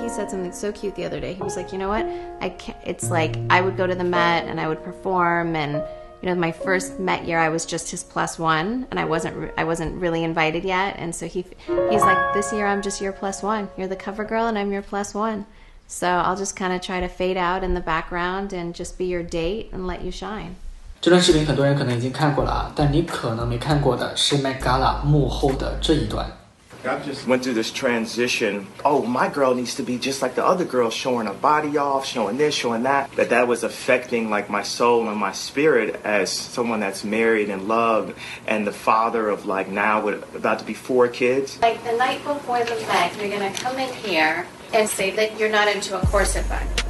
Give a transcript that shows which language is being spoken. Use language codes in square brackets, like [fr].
[en] He said something so cute the other day. He was like, you know what? It's like I would go to the Met and I would perform, and you know, my first Met year, I was just his plus one, and I wasn't really invited yet. And so he's like, this year I'm just your plus one. You're the cover girl, and I'm your plus one. So I'll just kind of try to fade out in the background and just be your date and let you shine. [zh] 这段视频很多人可能已经看过了啊，但你可能没看过的是 Met Gala 幕后的这一段。 [en] I've just went through this transition. Oh, my girl needs to be just like the other girls, showing her body off, showing this, showing that. But that was affecting like my soul and my spirit as someone that's married and loved and the father of like now with about to be 4 kids. Like the night before the Met, you're gonna come in here and say that you're not into a corset bun.